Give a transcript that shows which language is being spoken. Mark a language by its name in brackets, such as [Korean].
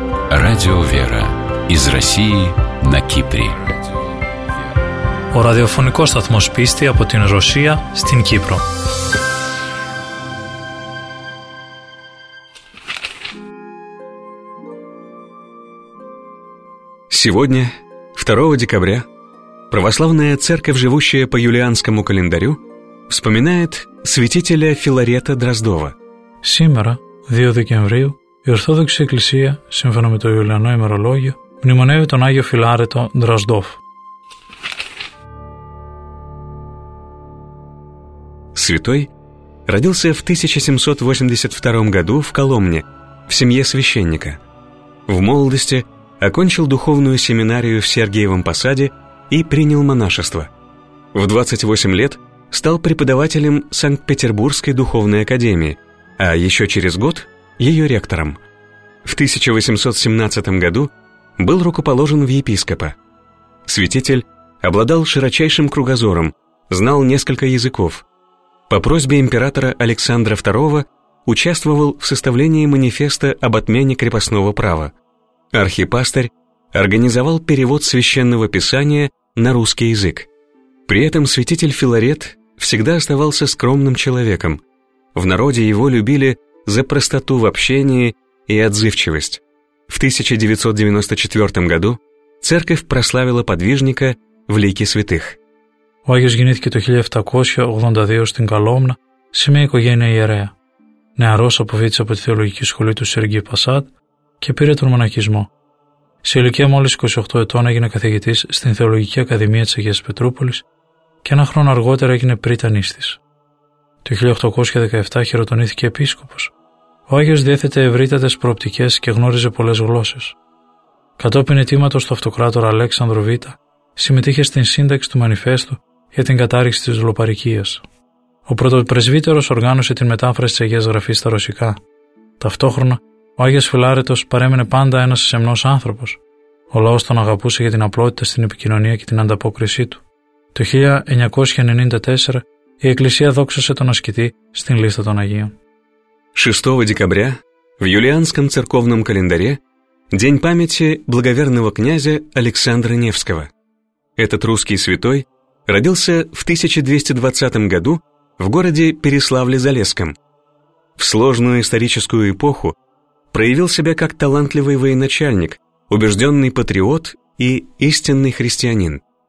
[Russian] Радио «Вера» из России на Кипре. [Greek] Ο ραδιοφωνικός σταθμός πίστη από την Ρωσία στην Κύπρο. [Russian] Сегодня, 2 декабря, православная церковь, живущая по юлианскому календарю, вспоминает святителя Филарета Дроздова. Сегодня, 2 декабря, [Greek] η Ορθόδοξη Εκκλησία, σύμφωνα με το Ιουλιανό ημερολόγιο, μνημονεύει τον Άγιο Φιλάρετο Δροσδόφ. [Russian] Святой родился в 1782 году в Коломне, в семье священника. В молодости окончил духовную семинарию в Сергиевом Посаде и принял монашество. В 28 лет стал преподавателем Санкт-Петербургской духовной академии, а еще через год ее ректором. В 1817 году был рукоположен в епископа. Святитель обладал широчайшим кругозором, знал несколько языков. По просьбе императора Александра II участвовал в составлении манифеста об отмене крепостного права. Архипастырь организовал перевод священного писания на русский язык. При этом святитель Филарет всегда оставался скромным человеком. В народе его любили за простоту в общении и отзывчивость. В 1994 году церковь прославила подвижника в лике святых. [Greek] Ο Άγιος γεννήθηκε το 1782 στην Καλόμνα σε μια οικογένεια ιερέα. Νεαρός αποφύτησε από τη θεολογική σχολή του Σεργίου Πασάτ και πήρε τον μοναχισμό. Σε ηλικία μόλις 28 ετών έγινε καθηγητής στην Θεολογική Ακαδημία της Αγίας Πετρούπολης και ένα χρόνο αργότερα έγινε πρίτανής της. Το 1817 χειροτονήθηκε επίσκοπος. Ο Άγιος διέθετε ευρύτατες προοπτικές και γνώριζε πολλές γλώσσες. Κατόπιν αιτήματος του αυτοκράτορα Αλέξανδρου Β, συμμετείχε στην σύνταξη του Μανιφέστου για την κατάργηση της δουλοπαρικίας. Ο πρωτοπρεσβύτερος οργάνωσε την μετάφραση της Αγίας Γραφής στα ρωσικά. Ταυτόχρονα, ο Άγιος Φιλάρετος παρέμεινε πάντα ένας σεμνός άνθρωπος. Ο λαός τον αγαπούσε για την απλότητα στην επικοινωνία και την ανταπόκρισή του. Το 1994 η Εκκλησία δόξασε τον ασκητή στην λίστα των Αγίων. [Russian] 6 декабря в юлианском церковном календаре день памяти благоверного князя Александра Невского. Этот русский святой родился в 1220 году в городе Переславле-Залесском. В сложную историческую эпоху проявил себя как талантливый военачальник, убежденный патриот и истинный христианин.